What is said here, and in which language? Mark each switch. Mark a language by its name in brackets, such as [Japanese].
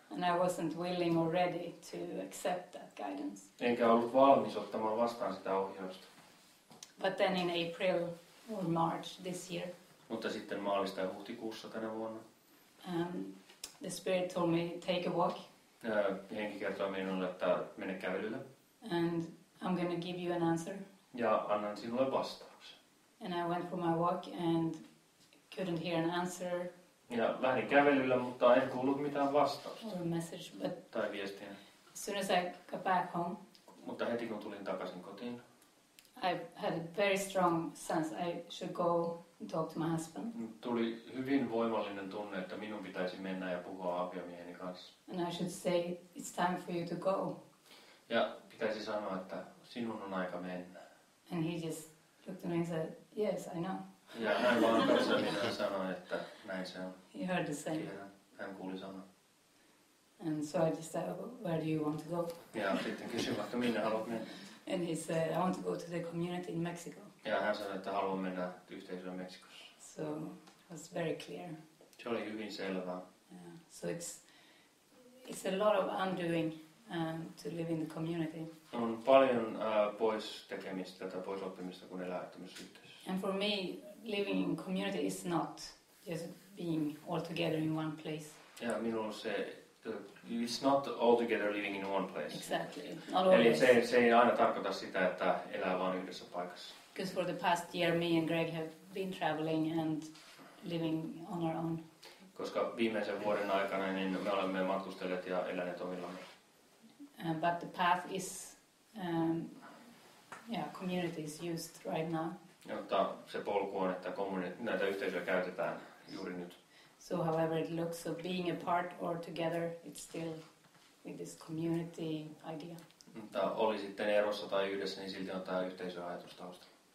[English] And I wasn't willing or ready to accept that guidance. [Finnish] Enkä ollut valmis ottamaan vastaan sitä ohjausta. [English] But then in April or March this year. [Finnish] Mutta sitten maalista ja huhtikuussa tänä vuonna. [English] The spirit told me take a walk. [Finnish] Henki kertoi minulle, että mene kävelylle. [English] And I'm going to give you an answer. [Finnish] Ja annan sinulle vastauksen. [English] And I went for my walk and couldn't hear an answer. [Finnish] Ja lähdin kävelyllä, mutta en kuullut mitään vastausta. [English] Or a message, but [Finnish] tai viestiä. [English] As soon as I got back home. [Finnish] Mutta heti kun tulin takaisin kotiin. [English] I had a very strong sense I should go and talk to my husband. [Finnish] Tuli hyvin voimallinen tunne, että minun pitäisi mennä ja puhua aviomieheni kanssa. [English] And I should say it's time for you to go. [Finnish] Ja pitäisi sanoa, että sinun on aika mennä. [English] And he just looked at me and said, yes, I know. [Finnish] Ja hän vaan tässä minä sanoin, että näin se on. [English] He heard the same. [Finnish] Hän kuuli sanoa. [English] And so I just said, where do you want to go? [Finnish] Ja sitten kysyin, vaikka minne haluat mennä. [English] And he said, I want to go to the community in Mexico. [Finnish] Ja hän sanoi, että haluan mennä yhteisöön Meksikossa. [English] So it was very clear. [Finnish] Se oli hyvin selvää. Yeah. [English] So it's a lot of undoing to live in the community. [Finnish] On paljon pois tekemistä tai pois oppimista, kun elää tämmöisessä yhteisössä. [English] And for me, living in community is not just being all together in one place. [Finnish] Ja minulla se, [English] it's not all together living in one place. Exactly. Not always. [Finnish] Eli se ei aina tarkoita sitä, että elää vain yhdessä paikassa. [English] Because for the past year, me and Greg have been traveling and living on our own. [Finnish] Koska viimeisen vuoden aikana, niin me olemme matkustelleet ja eläneet omillamme. [English] But the path is, community is used right now. [Finnish] Mutta se polku on, että näitä yhteisöjä käytetään juuri nyt. [English] So however it looks, so being apart or together, it's still with this community idea. [Finnish] Mutta oli sitten erossa tai yhdessä, niin silti on tämä yhteisöajatus tausta.